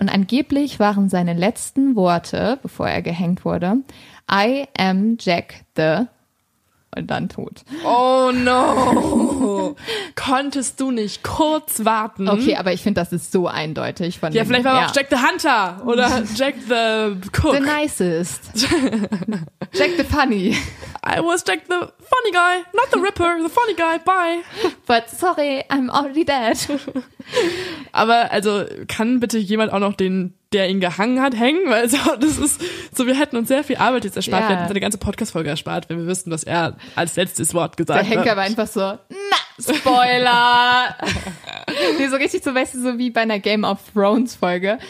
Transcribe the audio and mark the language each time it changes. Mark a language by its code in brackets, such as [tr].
[de] Und angeblich waren seine letzten Worte, bevor er gehängt wurde, [en] I am Jack the... [de] Und dann tot. [en] Oh no! [de] Konntest du nicht kurz warten? Okay, aber ich finde, das ist so eindeutig. Von ja, dem, vielleicht war auch Jack the Hunter oder Jack the Cook. [en] The nicest. Jack the funny. I was Jack the funny guy, not the Ripper, the funny guy, bye. But sorry, I'm already dead. [de] Aber also, kann bitte jemand auch noch den, der ihn gehangen hat, hängen? Weil so, das ist so, wir hätten uns sehr viel Arbeit jetzt erspart. Yeah. Wir hätten uns eine ganze Podcast-Folge erspart, wenn wir wüssten, was er als letztes Wort gesagt hat. Der Henker war einfach so, na, Spoiler! Nee, so richtig, so, weißt du, so wie bei einer Game of Thrones-Folge.